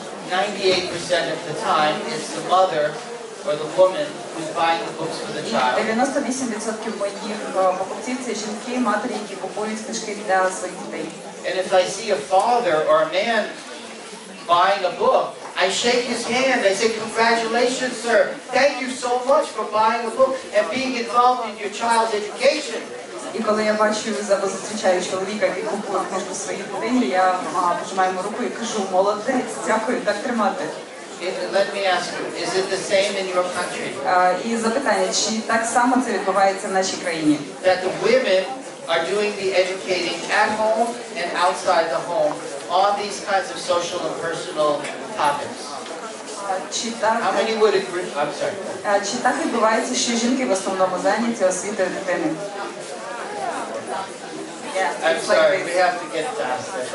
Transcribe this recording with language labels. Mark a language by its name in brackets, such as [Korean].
[English] 98% of the time, it's the mother or the woman who's buying the books for the child. [Ukrainian] 98% моїх покупців – це жінки, матері, які купують книжки для своїх дітей. [English] And if I see a father or a man buying a book, I shake his hand, I say, congratulations, sir. Thank you so much for buying a book and being involved in your child's education. [Ukrainian] І коли я бачу, або зустрічаю чоловіка, який купує книжку своїй дитині, я пожимаю йому руку і кажу, молодець, дякую, так тримати. [English] Let me ask you, is it the same in your country? [Ukrainian] І запитання, чи так само це відбувається в нашій країні? [English] That the women are doing the educating at home and outside the home on these kinds of social and personal topics. How many would agree? I'm sorry. [Ukrainian] Чи так відбувається, що жінки в основному зайняті освітою дитини? [English] I'm sorry, we have to get past it.